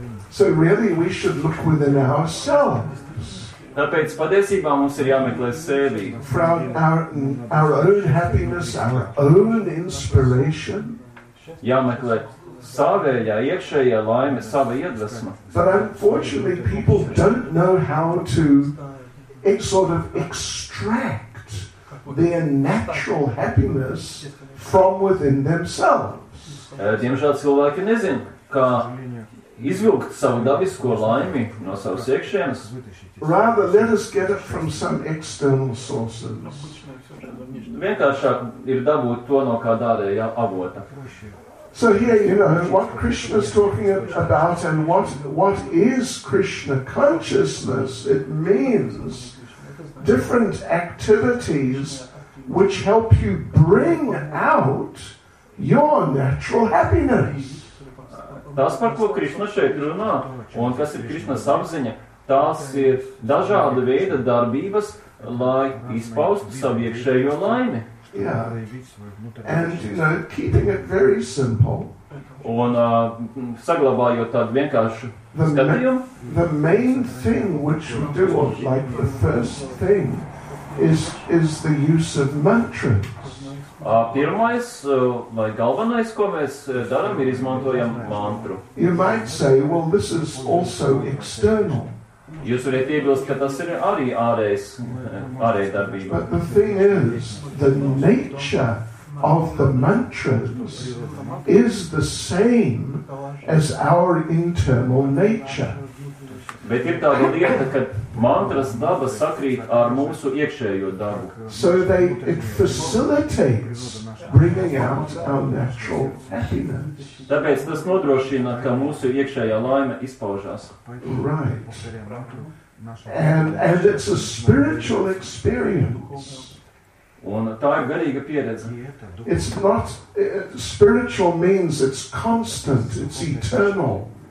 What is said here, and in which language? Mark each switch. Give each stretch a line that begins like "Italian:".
English: So really we should look within ourselves.
Latvian: Tāpēc patiesībā mums ir jāmeklē sevi.
English: For our own happiness, our own inspiration.
Latvian: Jāmeklē savējā, iekšējā laime, sava iedvesma.
English: But unfortunately, people don't know how to sort of extract their natural happiness from within themselves.
Latvian: Diemžēl cilvēki nezin, kā izvilkt savu dabisko laimi no savas iekšienas.
English: Rather, let us get it from some external sources.
Latvian: Vienkāršāk ir dabūt to no kāda ārējā avota.
English: So here, you know, what Krishna is talking about and what is Krishna consciousness, it means different activities which help you bring out your natural happiness.
Latvian: Tas, par ko Krishna šeit runā, un kas ir Krishna apziņa, tās ir dažāda veida darbības, lai izpaustu savu iekšējo laimi.
English: Yeah. And you know, keeping it very simple.
Latvian: Un saglabājot tādu vienkāršu skatījumu.
English: The main thing which we do, like the first thing, is the use of mantras.
Latvian: Pirmais vai galvenais, ko mēs darām, ir izmantojam mantru.
English: You might say, well, this is also external.
Latvian: Jūs varētu iebilst, ka tas ir arī ārējais darbība.
English: But the thing is, the nature of the mantras is the same as our internal nature.
Latvian: Bet ir tāda lieta, ka mantras daba sakrīt ar mūsu iekšējo dabu.
English: So they, it facilitates bringing out our natural happiness.
Latvian: Tāpēc tas nodrošina, ka mūsu iekšējā laime izpaužās.
English: Right. And it's a spiritual experience.
Latvian: Un tā ir garīga pieredze.
English: It's not, spiritual means it's constant, it's eternal.